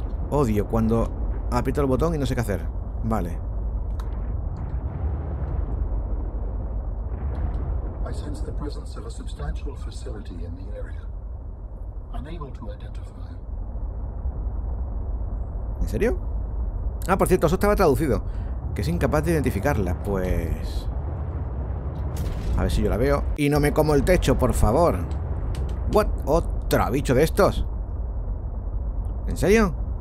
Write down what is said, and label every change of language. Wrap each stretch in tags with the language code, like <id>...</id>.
<es>Odio cuando aprieto el botón y no sé qué hacer. Vale.</es> <en>I sense the presence of a substantial facility in the area. Unable to identify.</en> <es>¿En serio? Ah, por cierto, eso estaba traducido. Que es incapaz de identificarla, pues... A ver si yo la veo. Y no me como el techo, por favor. ¿What? ¿Otro bicho de estos? ¿En serio?</es>